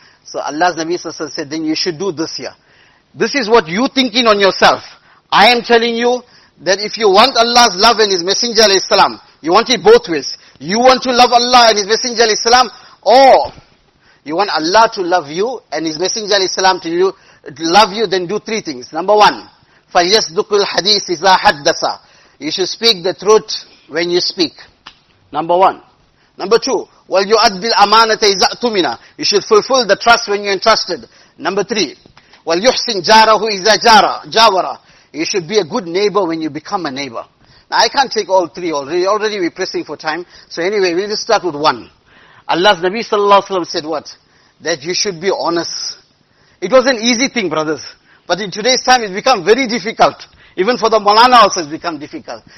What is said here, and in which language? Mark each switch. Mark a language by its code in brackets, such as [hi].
[en] So Allah's Nabi sallallahu alayhi wa sallam said, then you should do this here. This is what you thinking on yourself. I am telling you that if you want Allah's love and His Messenger alayhi salam, you want it both ways. You want to love Allah and His Messenger alayhi salam, or you want Allah to love you and His Messenger alayhi salam to love you, then do three things. Number one, [ar] فَيَسْدُقُ الْحَدِيثِ إِذَا حَدَّثَ. [en] You should speak the truth when you speak. Number one. Number two, [ar] وَلْيُؤَدِّ الْأَمَانَةَ إِذَا أُؤْتُمِنَ. [en] You should fulfill the trust when you're entrusted. Number three, [ar] وَلْيُحْسِنْ جَارَهُ إِذَا جَاوَرَ. [en] You should be a good neighbor when you become a neighbor. Now I can't take all three already. Already we're pressing for time. So anyway, we'll just start with one. Allah's Nabi sallallahu alayhi wa sallam said what? That you should be honest. It was an easy thing, brothers. But in today's time, it's become very difficult. Even for the Maulana also, it's become difficult.